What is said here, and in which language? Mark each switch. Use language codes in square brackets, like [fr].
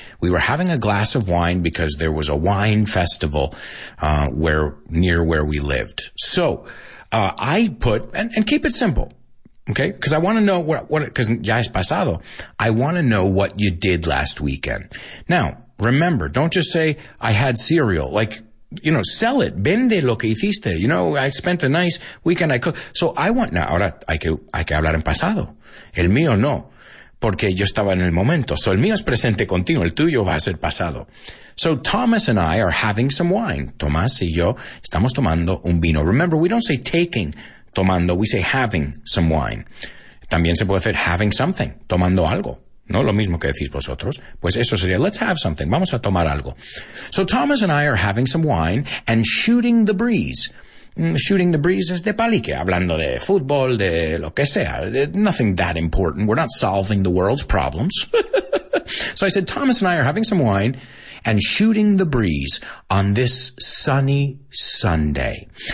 [en] We were having a glass of wine because there was a wine festival near where we lived. So I put, and keep it simple. Okay, because I want to know because [es] ya es pasado. [en] I want to know what you did last weekend. Now, remember, don't just say, I had cereal. Like, you know, sell it. [es] Vende lo que hiciste. [en] You know, I spent a nice weekend. I cooked. So I want, now, [es] ahora hay que hablar en pasado. El mío no, porque yo estaba en el momento. [en] So [es] el mío es presente continuo. El tuyo va a ser pasado. [en] So Thomas and I are having some wine. [es] Tomás y yo estamos tomando un vino. [en] Remember, we don't say taking. [es] Tomando, we say having some wine. También se puede hacer [en] having something, [es] tomando algo. No lo mismo que decís vosotros. Pues eso sería, [en] let's have something, [es] vamos a tomar algo. [en] So Thomas and I are having some wine and shooting the breeze. Shooting the breeze is [es] de palique, hablando de fútbol, de lo que sea. [en] Nothing that important. We're not solving the world's problems. So I said, Thomas and I are having some wine and shooting the breeze on this sunny Sunday.